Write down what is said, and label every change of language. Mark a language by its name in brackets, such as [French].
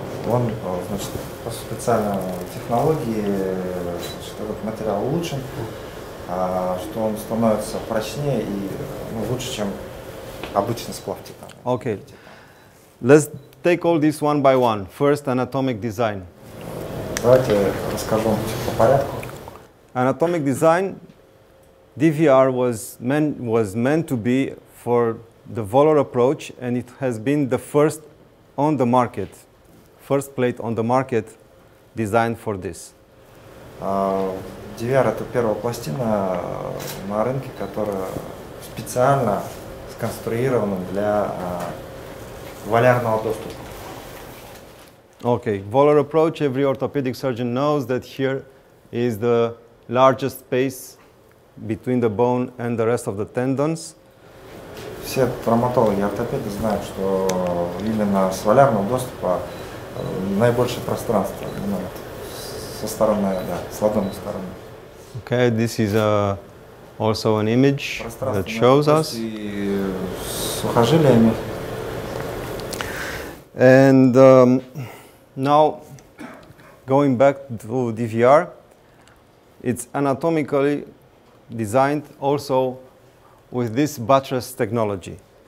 [Russian] Он, значит, по специальной технологии, что этот материал улучшен, что он становится прочнее и лучше, чем Обычный сплав титана. [English] Okay. Let's take all this one by one. First, anatomic design. [Russian] Давайте расскажем по порядку. [English] Anatomic design, DVR was meant to be for the volar approach, and it has been the first on the market, first plate on the market designed for this. [Russian] DVR — это первая пластина на рынке, которая специально сконструирована для волярного доступа. [English] Okay, volar approach, every orthopedic surgeon knows that here is the largest space between the bone and the rest of the tendons. [Russian] Все травматологи и ортопеды знают, что именно с волярного доступа наибольшее пространство со стороны, да, с ладонной стороны. [English] Okay, this is also an image that shows us. [Russian] И сухожилиями. [English] And now, going back to DVR, it's anatomically designed also with this buttress technology.